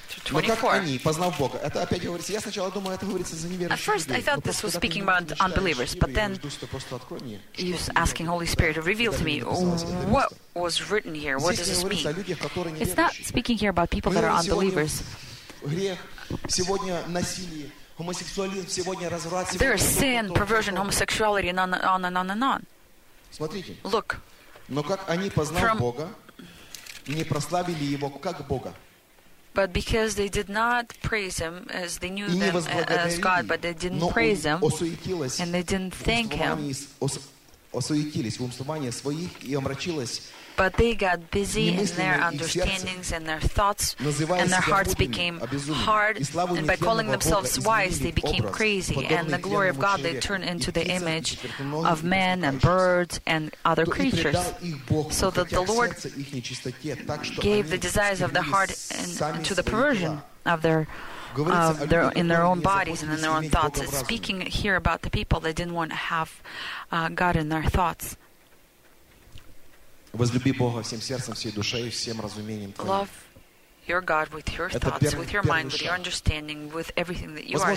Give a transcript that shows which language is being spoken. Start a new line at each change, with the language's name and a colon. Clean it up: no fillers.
Russian: Но как они, познав Бога, это опять говорится, я сначала думал, это говорится за неверующих.
English: At first I thought this was speaking about unbelievers, but then he's asking Holy Spirit to reveal to me what was written here, what does this mean? It's not speaking here about people that are unbelievers.
Russian: Грех, сегодня насилие.
English: There is sin, perversion, homosexuality, and on. Look.
Russian: Но как они познали Бога, не прославили Его как Бога.
English: But because they did not praise Him as they knew them as God, but they didn't praise Him, and they didn't thank Him.
Russian: Осуетились в умствовании своих и омрачилось.
English: But they got busy in their understandings and their thoughts, and their hearts became hard, and by calling themselves wise, they became crazy, and the glory of God, they turned into the image of men and birds and other creatures, so that the Lord gave the desires of their heart into the perversion of their in their own bodies and in their own thoughts. It's speaking here about the people that didn't want to have God in their thoughts.
Russian: Возлюби Бога всем сердцем, всей душой, всем разумением твоим.
English: Love your God with your thoughts, with your mind, with your understanding, with everything that you are.